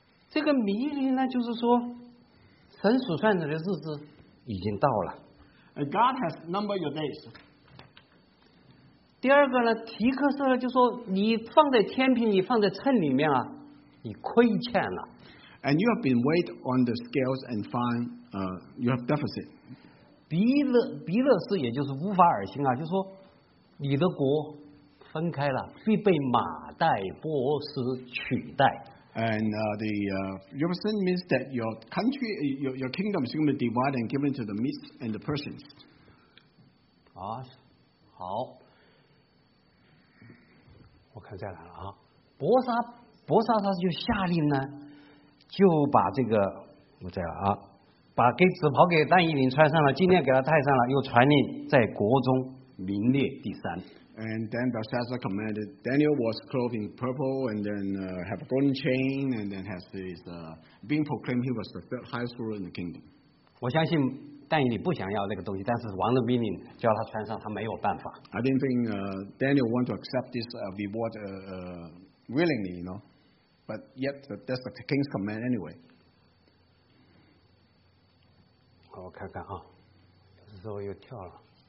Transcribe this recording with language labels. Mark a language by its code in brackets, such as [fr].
[zh] 这个迷离呢，就是说神数算你的日子已经到了。 [en] God has numbered your days。 [zh] 第二个呢，提克色呢，就是说你放在天平，你放在秤里面啊，你亏欠了。 [en] And you have been weighed on the scales and find you have deficit。 [zh] 比勒斯也就是乌法尔星啊，就是说你的国分开了，必被马代波斯取代。 [en] And your sin means that your country, your kingdom is going to be divided and given to the Medes and the Persians. [zh] 啊，好，我看再来了啊。伯沙他就下令呢，就把这个我这样啊，把给紫袍给但以理穿上了，金链给他戴上了，又传令在国中名列第三。 [en] And then Belshazzar commanded Daniel was clothed in purple and then have a golden chain and then has his being proclaimed he was the third highest ruler in the kingdom. [zh] 我相信但以理不想要那个东西，但是王的命令叫他穿上，他没有办法。 [en] I didn't think Daniel want to accept this reward willingly, you know, but yet that's the king's command anyway. [zh] 好，我看看啊，这时候又跳了。